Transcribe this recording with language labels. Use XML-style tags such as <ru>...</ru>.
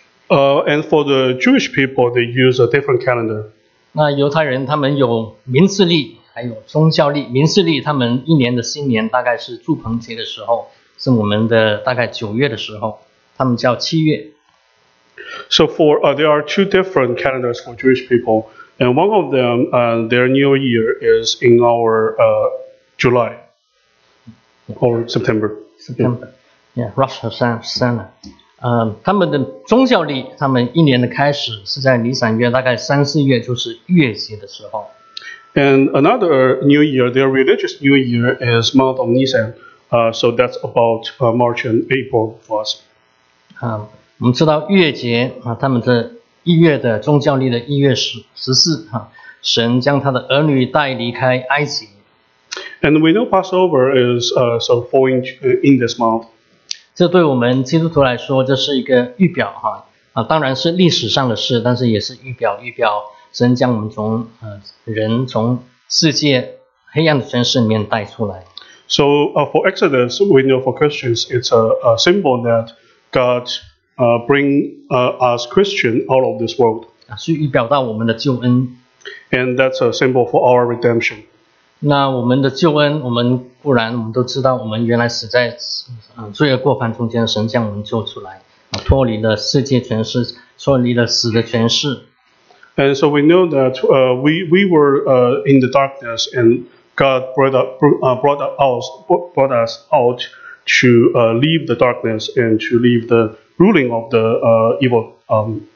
<en>And for the Jewish people, they use a different calendar.</en> <zh>那犹太人他们有民事历，还有宗教历。民事历他们一年的新年大概是祝棚节的时候，是我们的大概九月的时候，他们叫七月。</zh> <en>So for there are two different calendars for Jewish people, and one of them, their New Year is in our July. Or September. September. Yeah, Rosh Hashanah.</en> <zh>他们的宗教历，他们一年的开始是在尼散月，大概三四月，就是月节的时候。</zh> <en>And another New Year, their religious New Year is month of Nisan. So that's about March and April for us.</en> <zh>我们知道月节啊，他们的一月的宗教历的一月十四哈，神将他的儿女带离开埃及。</zh> <en>And we know Passover is so falling in this month.</en> <zh>这对我们基督徒来说，这是一个预表哈啊，当然是历史上的事，但是也是预表神将我们从人从世界黑暗的权势里面带出来。</zh> <en>So for Exodus, we know for Christians, it's a symbol that God bring us Christian out of this world.</en> <zh>是预表到我们的救恩。</zh> <en>And that's a symbol for our redemption.</en> <zh>那我们的救恩，我们固然我们都知道，我们原来死在罪恶过犯中间，神将我们救出来，脱离了世界权势，脱离了死的权势。</zh> <en>And so we know that we were in the darkness, and God brought us out to leave the darkness and to leave the ruling of the evil.</en>